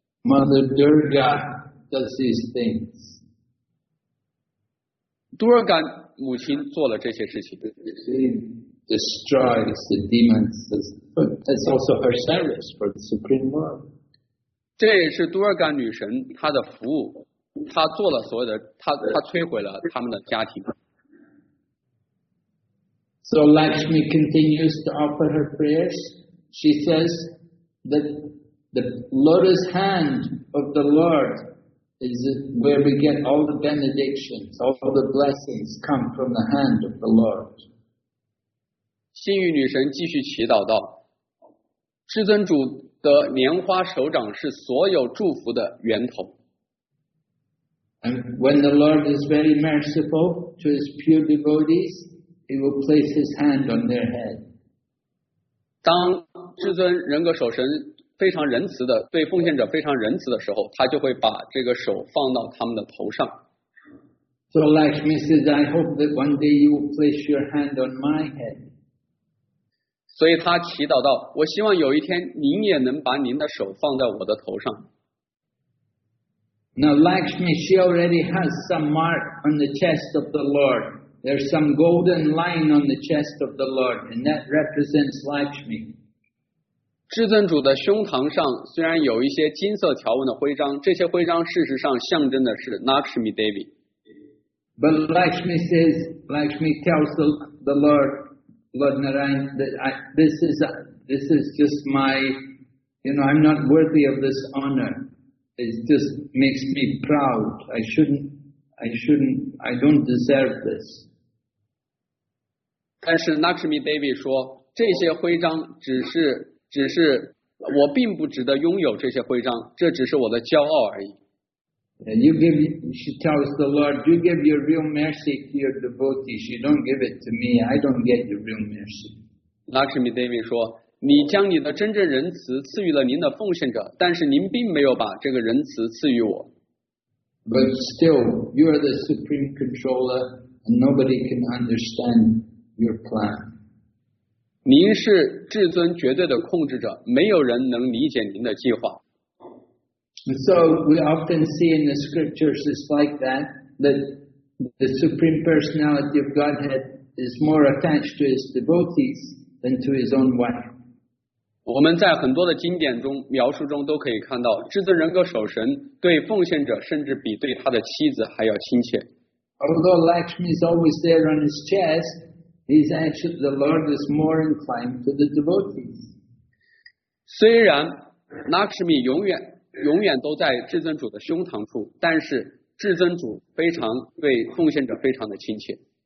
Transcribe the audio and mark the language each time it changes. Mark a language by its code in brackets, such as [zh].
[en] Mother Durga does these things. [zh] Durga 母亲做了这些事情。 [en] She destroys the demons. That's also her service for the Supreme Lord. [zh] 这也是 Durga 女神她的服务。他做了所有的，他摧毁了他们的家庭。 [en] So Lakshmi continues to offer her prayers. She says that the lotus hand of the Lord is where we get all the benedictions, all the blessings come from the hand of the Lord. [zh] 幸运女神继续祈祷道：“至尊主的莲花手掌是所有祝福的源头。” [en] And when the Lord is very merciful to his pure devotees, he will place his hand on their head. [zh] 当至尊人格守神非常仁慈的对奉献者非常仁慈的时候，他就会把这个手放到他们的头上。 [en] So Lakshmi says, I hope that one day you will place your hand on my head. [zh] 所以他祈祷道，我希望有一天您也能把您的手放在我的头上。 [en] Now Lakshmi, she already has some mark on the chest of the Lord. There's some golden line on the chest of the Lord, and that represents Lakshmi. [zh] 至尊主的胸膛上虽然有一些金色条纹的徽章，这些徽章事实上象征的是 Lakshmi Devi. [en] But Lakshmi tells the Lord Narayan, that this is just my, you know, I'm not worthy of this honor. It just makes me proud. I don't deserve this. [zh] 但是 Lakshmi Devi 说，这些徽章只是我并不值得拥有这些徽章，这只是我的骄傲而已。 [en] She tells the Lord, you give your real mercy to your devotees. You don't give it to me. I don't get the real mercy. [zh] Lakshmi Devi 说。你将你的真正仁慈赐予了您的奉献者，但是您并没有把这个仁慈赐予我。 [en] But still, you are the supreme controller, and nobody can understand your plan. [zh] 您是至尊绝对的控制者，没有人能理解您的计划。 [en] So we often see in the scriptures it's like that, that the supreme personality of Godhead is more attached to his devotees than to his own wife. [zh] 我们在很多的经典中描述中都可以看到，至尊人格守神对奉献者甚至比对他的妻子还要亲切。 [en] Although Lakshmi is always there on his chest, he's actually the Lord is more inclined to the devotees. [zh] 虽然 Lakshmi 永远都在至尊主的胸膛处，但是至尊主非常对奉献者非常的亲切。